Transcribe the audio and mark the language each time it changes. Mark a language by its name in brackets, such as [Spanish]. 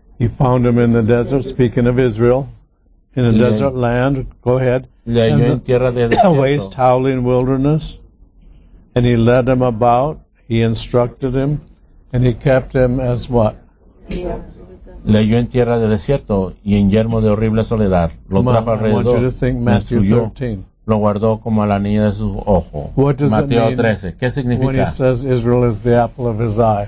[English] He found him in the desert, speaking of Israel, in a desert land. Go ahead. [Spanish] Le halló en tierra de desierto. [English] A waste, howling wilderness. And he led him about. He instructed him. And he kept him as what? [Spanish] Le halló en tierra de desierto y en yermo de horrible soledad. Lo trajo alrededor. [English] I want you to think Matthew 13. [Spanish] Lo guardó como a la niña de su ojo. [English] What does [Spanish] Mateo [English] it mean [Spanish] 13. ¿Qué significa? [English] When he says Israel is the apple of his eye.